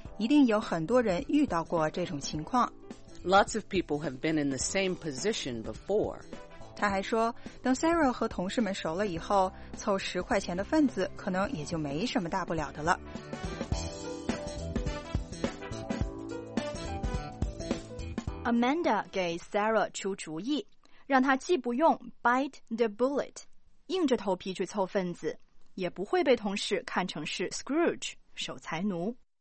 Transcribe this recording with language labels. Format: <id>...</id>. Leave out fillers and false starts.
<zh>一定有很多人遇到过这种情况。</zh> <en>Lots of people have been in the same position before.</en> <zh>他还说，等 Sarah 和同事们熟了以后，凑10块钱的份子可能也就没什么大不了的了。 Amanda 给 Sarah 出主意，让他既不用</zh> <en>bite the bullet，</en> <zh>硬着头皮去凑份子，也不会被同事看成是 Scrooge， 守财奴。</zh>